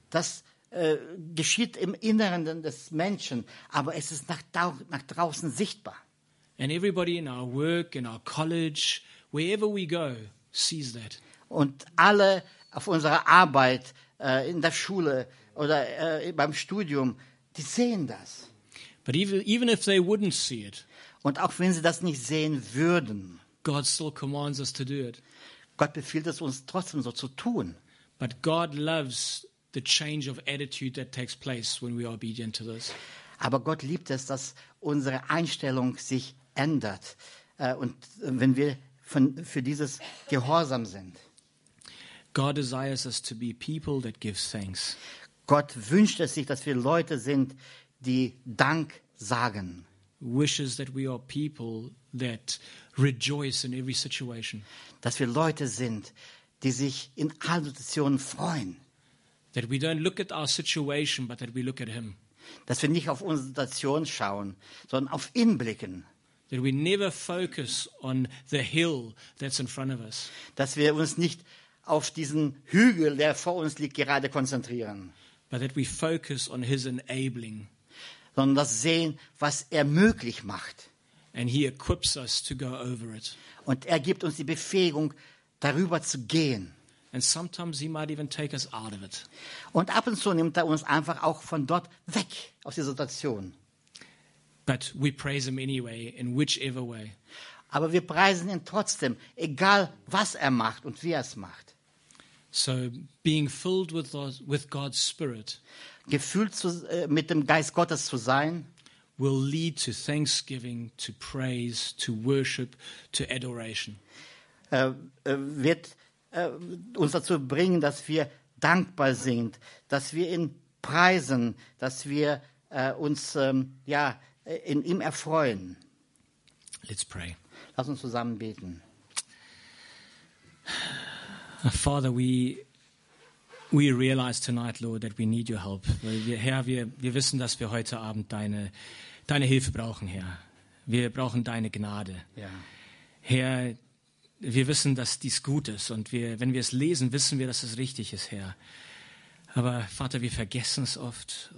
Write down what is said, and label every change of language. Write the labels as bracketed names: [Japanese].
[German] Das geschieht im Inneren des Menschen, aber es ist nach draußen sichtbar. [English] And everybody in our work, in our college, wherever we go, sees that. [German] Und alle auf unserer Arbeit, in der Schule oder beim Studium, die sehen das. [English] But even if they wouldn't see it, [German] und auch wenn sie das nicht sehen würden, [English] God still commands us to do it. [German] Gott befiehlt es uns trotzdem so zu tun. [English] But God loves the change of attitude that takes place when we are obedient to this. [German] Aber Gott liebt es, dass unsere Einstellung sich ändert, und wenn wir für dieses Gehorsam sind. [English] God desires us to be people that give thanks. [German] Gott wünscht es sich, dass wir Leute sind, die Dank sagen. [English] Wishes that we are people that rejoice in every situation. [German] Dass wir Leute sind, die sich in allen Situationen freuen. [English] That we don't look at our situation, but that we look at him. [German] Dass wir nicht auf unsere Situation schauen, sondern auf ihn blicken. [English] That we never focus on the hill that's in front of us. [German] Dass wir uns nicht auf diesen Hügel, der vor uns liegt, gerade konzentrieren. [English] But that we focus on his enabling. [German] Sondern das sehen, was er möglich macht. [English] And he equips us to go over it. [German] Und er gibt uns die Befähigung, darüber zu gehen. [English] And sometimes he might even take us out of it. [German] Und ab und zu nimmt er uns einfach auch von dort weg, aus der Situation. [English] But we praise him anyway, in whichever way. [German] Aber wir preisen ihn trotzdem, egal was er macht und wie er es macht. [English] So being filled with God's Spirit, [German] gefüllt zu, mit dem Geist Gottes zu sein, [English] will lead to thanksgiving, to praise, to worship, to adoration. [German] Wird uns dazu bringen, dass wir dankbar sind, dass wir ihn preisen, dass wir uns ja in ihm erfreuen. [English] Let's pray. [German] Lass uns zusammen beten. [English] Father, we realize tonight, Lord, that we need your help. [German] Weil wir, Herr, wir wissen, dass wir heute Abend deine Hilfe brauchen, Herr. Wir brauchen deine Gnade. Ja. Herr, wir wissen, dass dies gut ist. Und wir, wenn wir es lesen, wissen wir, dass es richtig ist, Herr. Aber Vater, wir vergessen es oft.